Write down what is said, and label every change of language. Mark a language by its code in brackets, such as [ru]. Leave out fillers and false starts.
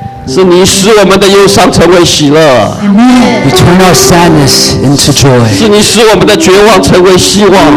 [zh] 是你 使我们的忧伤成为喜乐。 [en] You turn our sadness into joy. [zh] 是你使我们的绝望成为希望。